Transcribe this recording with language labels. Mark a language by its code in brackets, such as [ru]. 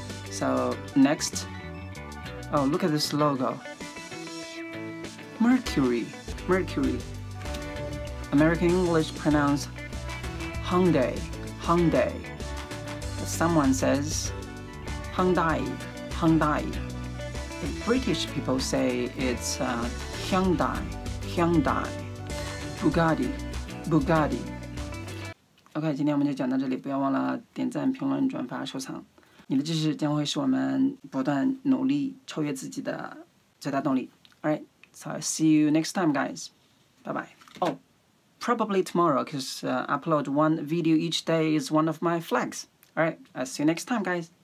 [en] So next, oh, look at this logo, Mercury, American English pronounced Hyundai, but someone says Hyundai, the British people say it's Hyundai, Bugatti. [zh] Okay, 今天我们就讲到这里，不要忘了点赞、评论、转发、收藏。你的支持将会是我们不断努力超越自己的最大动力。 [en] All right, so I'll see you next time, guys. Bye bye. Oh, probably tomorrow, because upload one video each day is one of my flags. All right, I'll see you next time, guys.